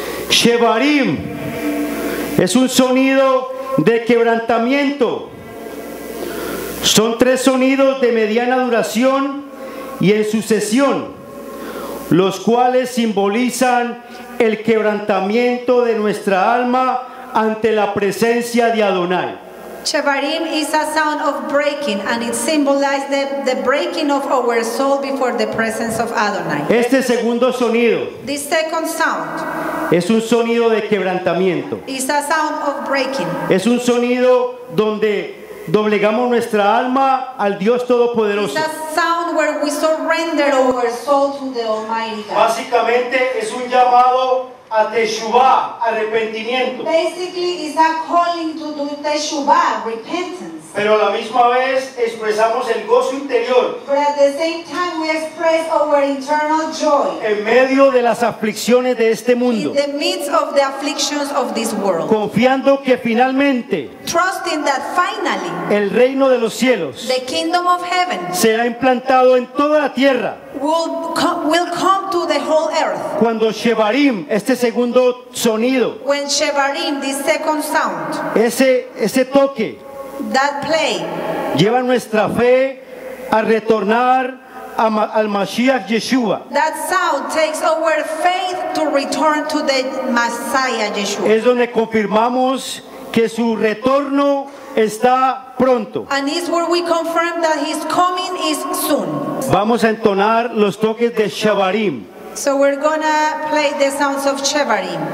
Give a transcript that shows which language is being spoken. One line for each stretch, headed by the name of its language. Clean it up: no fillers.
Spanish: Shevarim es un sonido de quebrantamiento. Son tres sonidos de mediana duración y en sucesión, los cuales simbolizan el quebrantamiento de nuestra alma ante la presencia de Adonai.
English: Shevarim is a sound of breaking and it symbolizes the breaking of our soul before the presence of Adonai.
Spanish: Este segundo sonido.
English: This second sound.
Spanish: Es un sonido de quebrantamiento.
English: It's a sound of breaking.
Spanish: Es un sonido donde doblegamos nuestra alma al Dios Todopoderoso.
English: It's a sound where we surrender our soul to the Almighty God.
Spanish: Básicamente es un llamado a teshuvah, arrepentimiento.
English: Basically, it's a calling to do teshuvah, repentance.
Spanish: Pero a la misma vez expresamos el gozo interior.
English: But at the same time, we express our internal joy.
Spanish: En medio de las aflicciones de este mundo.
English: In the midst of the afflictions of this world.
Spanish: Confiando que finalmente.
English: Trusting that finally.
Spanish: El reino de los cielos.
English: The kingdom of heaven.
Spanish: Será implantado en toda la tierra.
English: Will come to the whole earth.
Spanish: Cuando Shevarim, este segundo sonido.
English: When Shevarim, this second sound.
Spanish: Ese toque.
English: That play.
Spanish: Lleva nuestra fe a retornar al Mashiach Yeshua.
English: That sound takes our faith to return to the Messiah Yeshua.
Spanish: Es donde confirmamos que su retorno está pronto.
English: And it's where we confirm that his coming is soon.
Spanish: Vamos a entonar los toques de Shevarim.
English: So we're gonna play the sounds of Shevarim.